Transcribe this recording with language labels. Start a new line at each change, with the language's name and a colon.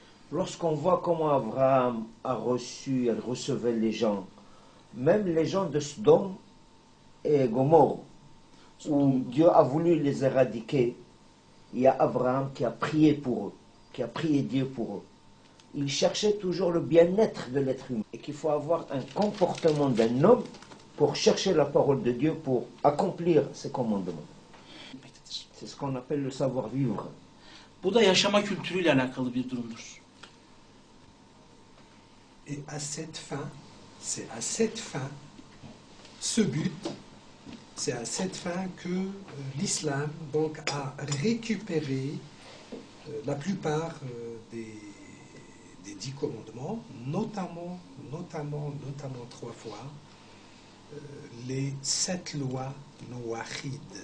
French: Lorsqu'on voit comment Abraham a reçu, elle recevait les gens, même les gens de Sodom et Gomorrhe, où Dieu a voulu les éradiquer, il y a Abraham qui a prié pour eux. Qui a prié Dieu pour eux. Il cherchait toujours le bien-être de l'être humain et qu'il faut avoir un comportement d'un homme pour chercher la parole de Dieu pour accomplir ses commandements. C'est ce qu'on appelle le savoir-vivre.
Turkish: Bu da yaşama kültürüyle alakalı bir durumdur.
French: Et à cette fin, c'est à cette fin, ce but C'est à cette fin que l'islam donc, a récupéré la plupart des 10 commandements, notamment 3 fois, les 7 lois nouahides.